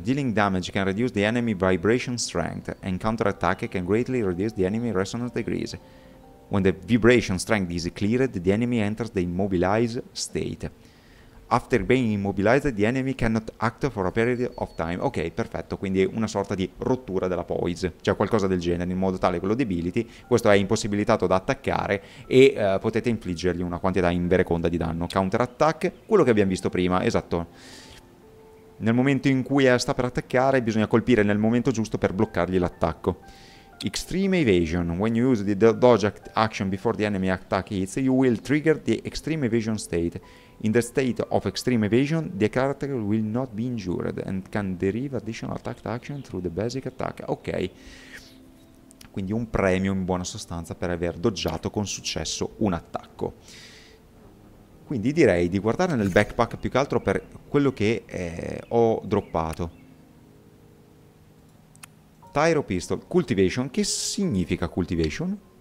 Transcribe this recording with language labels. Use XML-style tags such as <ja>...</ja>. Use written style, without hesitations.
<en>Dealing damage can reduce the enemy vibration strength and counterattack can greatly reduce the enemy resonance degrees. When the vibration strength is cleared, the enemy enters the immobilized state. After being immobilized, the enemy cannot act for a period of time.</en> <it>Ok, perfetto, quindi una sorta di rottura della poise, cioè qualcosa del genere, in modo tale che lo debiliti, questo è impossibilitato da attaccare e potete infliggergli una quantità invereconda di danno. Counterattack, quello che abbiamo visto prima, esatto. Nel momento in cui sta per attaccare, bisogna colpire nel momento giusto per bloccargli l'attacco.</it> <en>Extreme Evasion. When you use the dodge action before the enemy attack hits, you will trigger the Extreme Evasion state. In the state of Extreme Evasion, the character will not be injured and can derive additional attack action through the basic attack. Ok.</en> <it>Quindi un premio in buona sostanza per aver dodgiato con successo un attacco. Quindi direi di guardare nel backpack più che altro per quello che ho droppato. Tyro Pistol. Cultivation. Che significa cultivation?</it>